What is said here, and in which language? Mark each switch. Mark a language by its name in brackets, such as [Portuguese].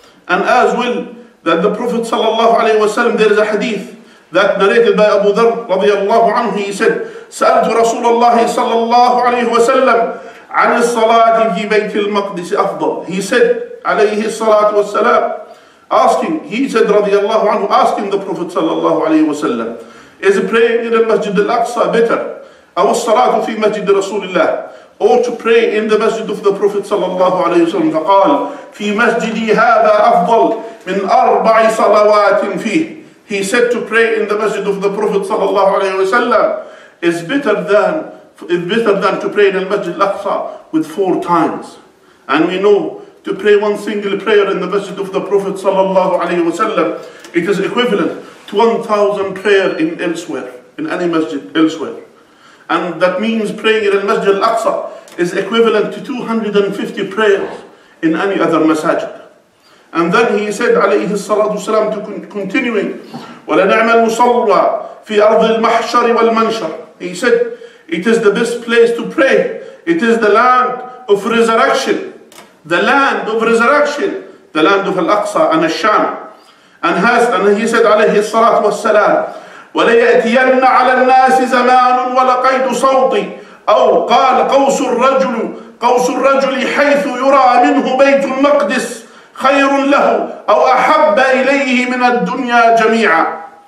[English] And as well that the Prophet sallallahu alayhi wa sallam, there is a hadith that narrated by Abu Dharr radiallahu anhu, he said, [Arabic] سَأَلْتُ رَسُولَ اللَّهِ صَلَّى اللَّهُ عَلَيْهُ وَسَلَّمْ عَنِ الصَّلَاةِ فِي بَيْتِ الْمَقْدِسِ أَفْضَلُ. [English] He said, [Arabic] عليه الصلاة والسلام, [English] asking, he said radiallahu anhu, asking the Prophet sallallahu alayhi wa sallam, is praying in the Masjid al-Aqsa better? [Arabic] أو الصلاة في مسجد رسول الله, [English] or to pray in the Masjid of the Prophet sallallahu alayhi wa sallam. [Arabic] فقال, في مسجدي هذا أفضل من أربع صلوات فيه. [English] He said to pray in the Masjid of the Prophet sallallahu alayhi wa sallam is better than to pray in the Masjid al-Aqsa with four times. And we know to pray one single prayer in the Masjid of the Prophet sallallahu alayhi wa sallam, it is equivalent to 1,000 prayer in any masjid elsewhere. And that means praying in al-Masjid al-Aqsa is equivalent to 250 prayers in any other masajid. And then he said, alayhi salatu wasalam, to continuing, [Arabic] وَلَنَعْمَ الْمُصَلَّى فِي أَرْضِ الْمَحْشَرِ وَالْمَنْشَرِ. [English] He said, it is the best place to pray. It is the land of resurrection. The land of resurrection. The land of al-Aqsa and al-Sham. [Arabic] And he said, alayhi salatu wasalam, وَلَيَأْتِيَنَّ عَلَى النَّاسِ زَمَانٌ وَلَقَيْتُ صَوْطِي أَوْ قَالَ قَوْسُ الرَّجُلِ حَيْثُ يُرَى مِنْهُ بَيْتُ الْمَقْدِسِ خَيْرٌ لَهُ أَوْ أَحَبَّ إِلَيْهِ مِنَ الدُّنْيَا جَمِيعًا.